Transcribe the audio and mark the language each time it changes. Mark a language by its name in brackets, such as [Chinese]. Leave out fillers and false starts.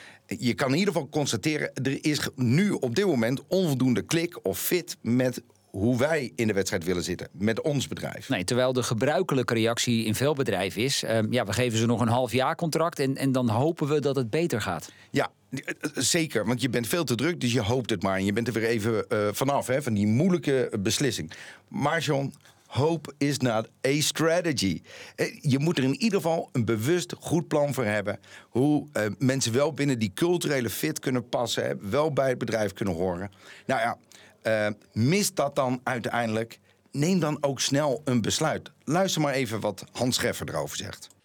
[Dutch] Je kan in ieder geval constateren, er is nu op dit moment onvoldoende klik of fit met hoe wij in de wedstrijd willen zitten met ons bedrijf. Nee, terwijl de gebruikelijke reactie in veel bedrijven is, we geven ze nog een half jaar contract en dan hopen we dat het beter gaat. Ja, zeker, want je bent veel te druk, dus je hoopt het maar. En je bent er weer even vanaf, van die moeilijke beslissing. Maar [English] John, hope is not a strategy. [Dutch] Je moet er in ieder geval een bewust goed plan voor hebben hoe mensen wel binnen die culturele fit kunnen passen, wel bij het bedrijf kunnen horen. Nou ja, mist dat dan uiteindelijk, neem dan ook snel een besluit. Luister maar even wat Hans Scheffer erover zegt.